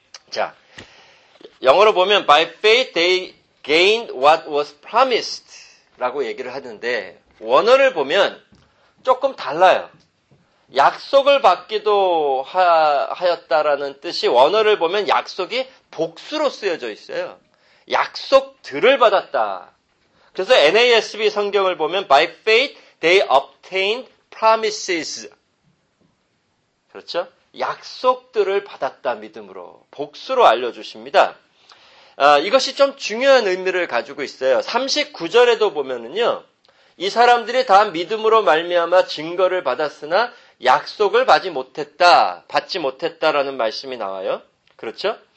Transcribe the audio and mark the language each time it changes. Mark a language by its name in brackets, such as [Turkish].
[Korean] 자, 영어로 보면 [English] By faith they gained what was promised [Korean] 라고 얘기를 하는데 원어를 보면 조금 달라요. 약속을 받기도 하였다라는 뜻이 원어를 보면 약속이 복수로 쓰여져 있어요. 약속들을 받았다. 그래서 NASB 성경을 보면 [English] By faith they obtained promises. [Korean] 그렇죠? 약속들을 받았다 믿음으로 복수로 알려주십니다. 이것이 좀 중요한 의미를 가지고 있어요. 39절에도 보면은요, 이 사람들이 다 믿음으로 말미암아 증거를 받았으나 약속을 받지 못했다라는 말씀이 나와요. 그렇죠?